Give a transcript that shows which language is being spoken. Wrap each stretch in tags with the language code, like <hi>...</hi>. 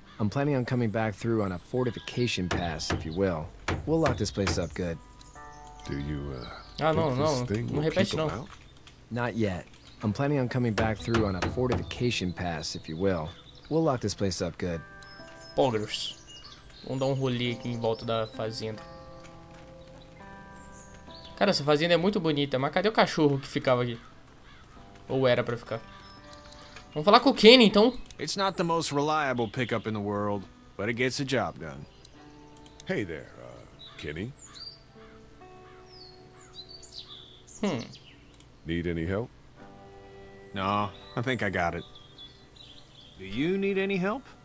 <en>I'm planning on coming back through on a fortification pass, if you will. We'll lock this place up good. Do you,</en> <pt>não repete não.</pt> <en>Not yet. I'm planning on coming back through on a fortification pass, if you will. We'll lock this place up good. Poggers.</en> <pt>Vamos dar um rolê aqui em volta da fazenda. Cara, essa fazenda é muito bonita, mas cadê o cachorro que ficava aqui? Ou era pra ficar? Vamos falar com o Kenny, então.</pt> <en>It's not the most reliable pickup in the world, but it gets the job done. Hey there, Kenny. Need any help? No, I think I got it. Do you need any help?</en>